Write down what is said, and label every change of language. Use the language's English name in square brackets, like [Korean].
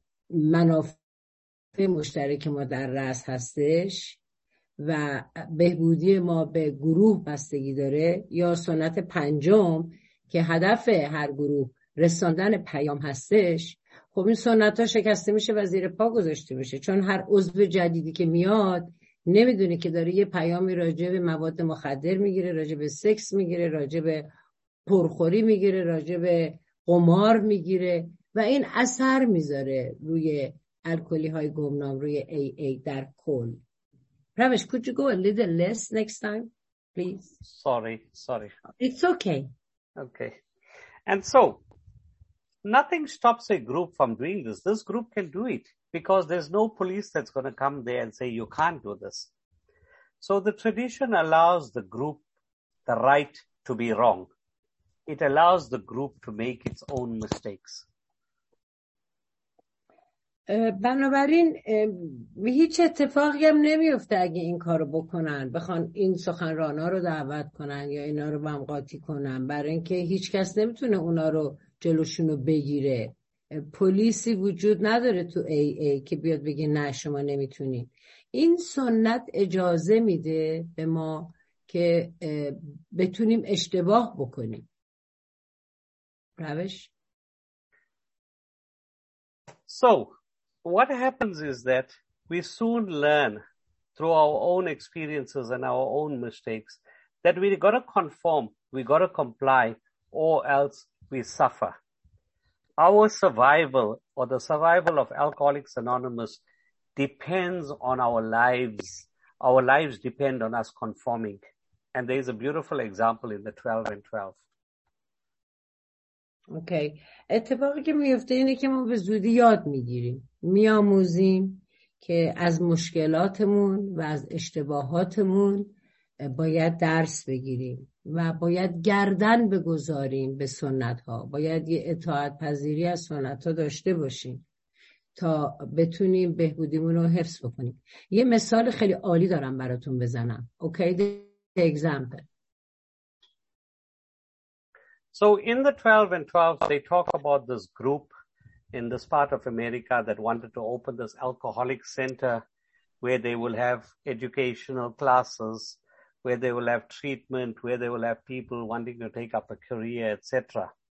[Persian] منافع مشترک ما در رأس هستش و بهبودی ما به گروه بستگی داره، یا سنت پنجم که هدف هر گروه رساندن پیام هستش، خب این سنت ها شکسته میشه و زیر پا گذاشته میشه، چون هر عضو جدیدی که میاد نمیدونه که داره یه پیامی راجع به مواد مخدر میگیره، راجع به سکس میگیره، راجع به پرخوری میگیره، راجع به قمار میگیره، و این اثر میذاره روی الکلی های گمنام، روی ای ای در کل. [English] Ravish, could you go a little less next time, please? Sorry. It's okay. Okay. And so, nothing stops a group from doing this. This group can do it because there's no police that's going to come there and say, you can't do this. So the tradition allows the group the right to be wrong. It allows the group to make its own mistakes. [Persian] بنابراین هیچ اتفاقی هم نمیفته اگه این کارو بکنن، بخوان این سخنرانا رو دعوت کنن یا اینا رو بهم قاطی کنن، برای اینکه هیچ کس نمیتونه اونا رو جلوشون رو بگیره. پلیسی وجود نداره تو AA که بیاد بگه نه شما نمیتونید. این سنت اجازه میده به ما که بتونیم اشتباه بکنیم. روش [English] What happens is that we soon learn through our own experiences and our own mistakes that we got to conform, we got to comply, or else we suffer. Our survival, or the survival of Alcoholics Anonymous, depends on our lives. Our lives depend on us conforming. And there is a beautiful example in the 12 and 12. [Persian] اوکی. اتفاقی که میفته اینه که ما به زودی یاد میگیریم، میاموزیم که از مشکلاتمون و از اشتباهاتمون باید درس بگیریم و باید گردن بگذاریم به سنت ها، باید یه اطاعت پذیری از سنت ها داشته باشیم تا بتونیم بهبودیمون رو حفظ بکنیم. یه مثال خیلی عالی دارم براتون بزنم. [English] Okay, the example. So in the 12 and 12, they talk about this group in this part of America that wanted to open this alcoholic center where they will have educational classes, where they will have treatment, where they will have people wanting to take up a career, etc.